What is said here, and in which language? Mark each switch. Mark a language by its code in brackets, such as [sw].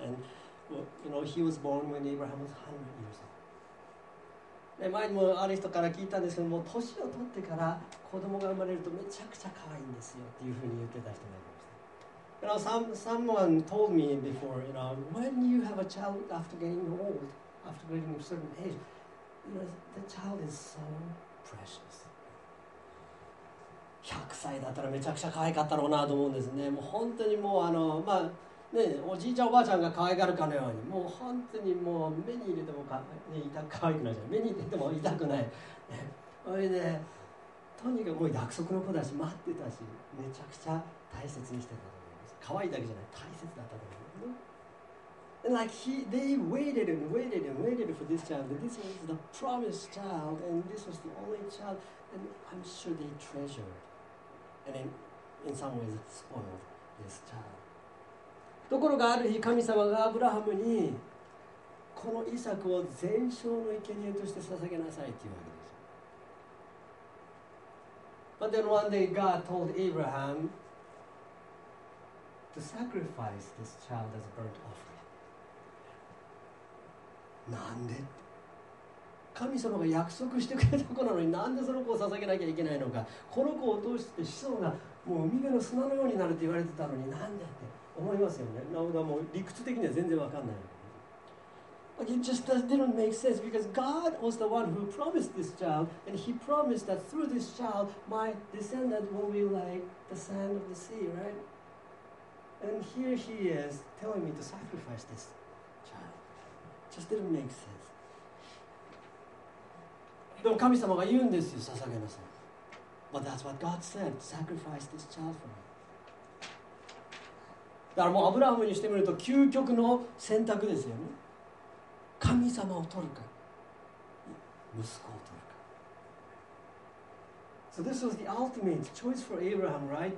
[en] And, you know, he was born when Abraham was 100 years old. [ja] で、前にもある人から聞いたんですけども、年を取ってから子供が生まれるとめちゃくちゃ可愛いんですよっていうふうに言ってた人がいました。 [en] You know, someone told me before, you know, when you have a child after getting old, after getting a certain age, you know, the child is so precious. [ja] 100歳だったらめちゃくちゃ可愛かったろうなと思うんですね。もう本当にもうまあね、おじいちゃんおばあちゃんが可愛がるかのように、もう本当にもう目に入れてもか、ね、可愛くないじゃん。目に入れても痛くない。それで、ね、とにかくもう約束の子だし、待ってたし、めちゃくちゃ大切にしてたと思います。可愛いだけじゃない、大切だったと思うんですね。 [en] And like he, they waited and waited and waited for this child. This was the promised child and this was the only child and I'm sure they treasuredAnd in some ways, spoiled this child. [ja] ところがある日、神様がアブラハムにこのイサクを全焼の生贄として捧げなさいというわけです。 [en] But then one day God told Abraham to sacrifice this child as a burnt offering. [ja] なんで？神様が約束してくれた子なのに、なんでその子を捧げなきゃいけないのか。この子を通して子孫がもう海辺の砂のようになると言われてたのに、なんでって思いますよね。なおだもう理屈的には全然わかんない。 [en] Like、it just didn't make sense because God was the one who promised this child, and He promised that through this child, my descendant will be like the sand of the sea, right? And here He is telling me to sacrifice this child. Just didn't make sense. [ja] でも神様が言うんですよ、捧げなさい。 [en] But that's what God said, sacrifice this child for me. [ja] だからもうアブラハムにしてみると究極の選択ですよね。神様を取るか、息子を取るか。 [en] So this was the ultimate choice for Abraham, right?